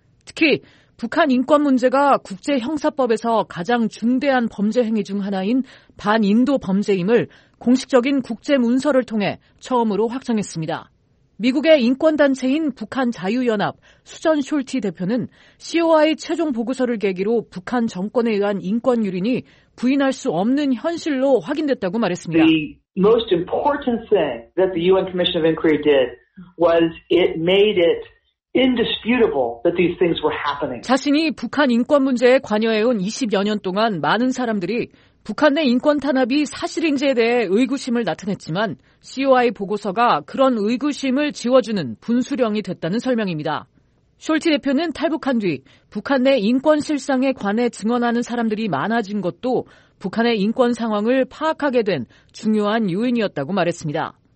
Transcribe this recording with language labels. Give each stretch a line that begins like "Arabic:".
Korean: 특히 북한 인권 문제가 국제형사법에서 가장 중대한 범죄 행위 중 하나인 반인도 범죄임을 공식적인 국제 문서를 통해 처음으로 확정했습니다. 미국의 인권단체인 북한자유연합 수전 숄티 대표는 COI 최종 보고서를 계기로 북한 정권에 의한 인권 유린이 부인할 수 없는 현실로 확인됐다고 말했습니다.
English: The most important thing that the UN Commission of Inquiry did was it made it indisputable that these things were happening.
Korean: 자신이 북한 인권 문제에 관여해온 20여 년 동안 많은 사람들이 북한 내 인권 탄압이 사실인지에 대해 의구심을 나타냈지만 COI 보고서가 그런 의구심을 지워주는 분수령이 됐다는 설명입니다. 숄티 대표는 탈북한 뒤 북한 내 인권 실상에 관해 증언하는 사람들이 많아진 것도 북한의 인권 상황을 파악하게 된 중요한 요인이었다고 말했습니다.